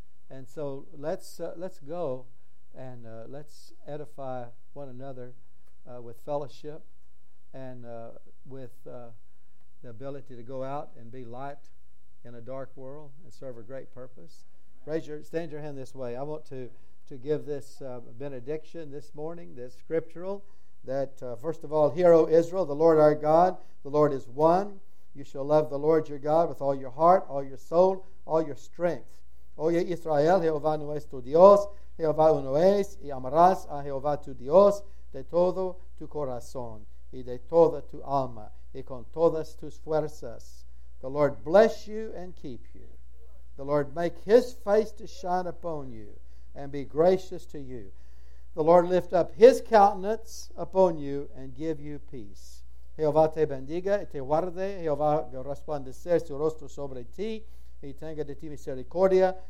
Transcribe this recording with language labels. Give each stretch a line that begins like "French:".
English: And so let's go and let's edify one another with fellowship and with the ability to go out and be light in a dark world and serve a great purpose. Stand your hand this way. I want to give this benediction this morning, this scriptural, that first of all, hear, O Israel, the Lord our God, the Lord is one. You shall love the Lord your God with all your heart, all your soul, all your strength.
Spanish: O ye Israel, Jehová nuestro Dios, Jehová uno es, y amarás a Jehová tu Dios de todo tu corazón y de toda tu alma y con todas tus fuerzas.
English: The Lord bless you and keep you. The Lord make His face to shine upon you and be gracious to you. The Lord lift up His countenance upon you and give you peace.
Spanish: Jehová te bendiga y te guarde. Jehová resplandecer su rostro sobre ti y tenga de ti misericordia.